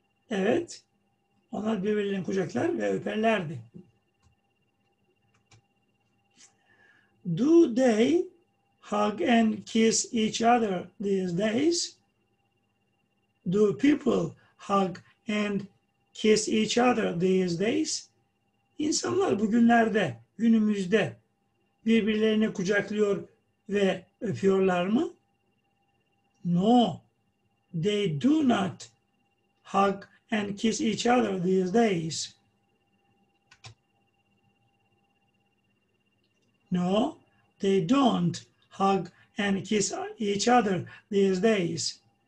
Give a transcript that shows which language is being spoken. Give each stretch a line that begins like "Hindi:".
Turkish: Evet, onlar birbirlerini kucaklar ve öperlerdi.
English: Do they hug and kiss each other these days? Do people hug and kiss each other these days?
Turkish: İnsanlar bugünlerde, günümüzde birbirlerini kucaklıyor ve öpüyorlar mı?
English: No, they do not hug and kiss each other these days. No, they don't hug and kiss each other these days.